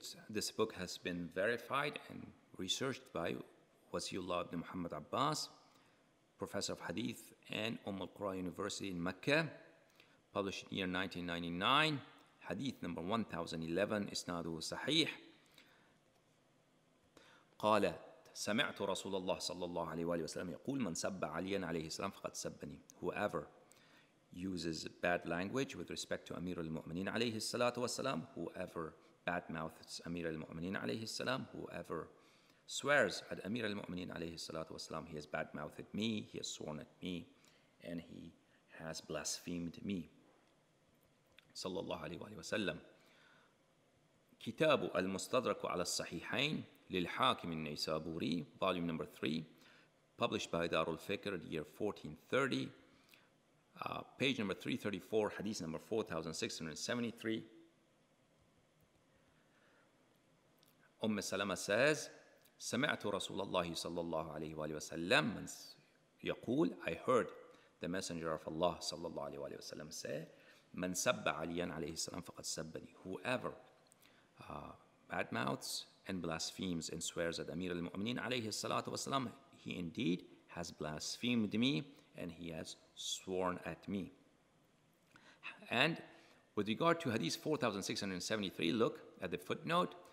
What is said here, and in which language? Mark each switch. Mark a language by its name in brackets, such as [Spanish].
[English] This book has been verified and researched by Wasiullah ibn Muhammad Abbas, professor of hadith and Umm al-Qura University in Mecca, published in year 1999. Hadith number 1011, [Arabic] إسناده صحيح. قالت, سمعت رسول الله صلى الله عليه وآله وسلم يقول, من سب عليا عليه السلام فقد سبني. [English] Whoever uses bad language with respect to أمير المؤمنين [Arabic] عليه الصلاة والسلام, [English] whoever badmouths أمير المؤمنين عليه السلام, whoever swears at أمير المؤمنين عليه الصلاة والسلام, he has badmouthed me, he has sworn at me, and he has blasphemed me. [Arabic] صلى الله عليه وسلم. [English] كتاب المستدرك على الصحيحين للحاكم النيسابوري, volume number 3, published by Darul Fikr, year 1430, page number 334, hadith number 4673. [Arabic] أم سلمة says, سمعت رسول الله صلى الله عليه وسلم يقول, [English] I heard the messenger of Allah [Arabic] صلى الله عليه وسلم say, من سب عليا عليه السلام فقد سبني. [English] Whoever badmouths and blasphemes and swears at Amir al-Mu'minin [Arabic] عليه الصلاة والسلام, [English] he indeed has blasphemed me and he has sworn at me. And with regard to hadith 4673, look at the footnote.